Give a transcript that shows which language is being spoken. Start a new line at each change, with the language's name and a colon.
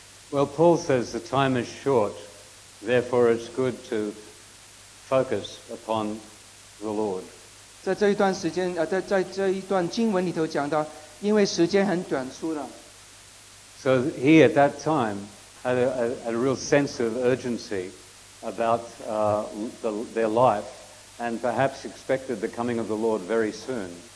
English: Well, Paul says the time is short, therefore it's good to focus upon the Lord.
Chinese: 在这一段时间, 在这一段经文里头讲到, 因为时间很短促了,
English: so he at that time had a real sense of urgency about their life and perhaps expected the coming of the Lord very soon.